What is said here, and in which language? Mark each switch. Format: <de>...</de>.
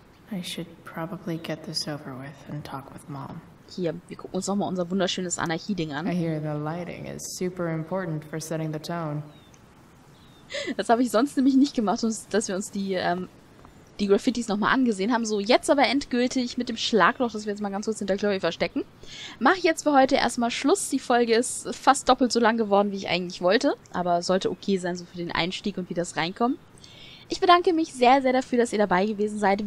<en>I should probably get this over with and talk with Mom.</en> <de>Hier, wir gucken uns nochmal unser wunderschönes Anarchie-Ding an.</de> <en>I hear the lighting is super important for setting the tone.</en> <de>Das habe ich sonst nämlich nicht gemacht, dass wir uns die Graffitis nochmal angesehen haben. So, jetzt aber endgültig mit dem Schlagloch, das wir jetzt mal ganz kurz hinter Chloe verstecken. Mach jetzt für heute erstmal Schluss. Die Folge ist fast doppelt so lang geworden, wie ich eigentlich wollte. Aber sollte okay sein, so für den Einstieg und wie das reinkommt. Ich bedanke mich sehr, sehr dafür, dass ihr dabei gewesen seid.</de>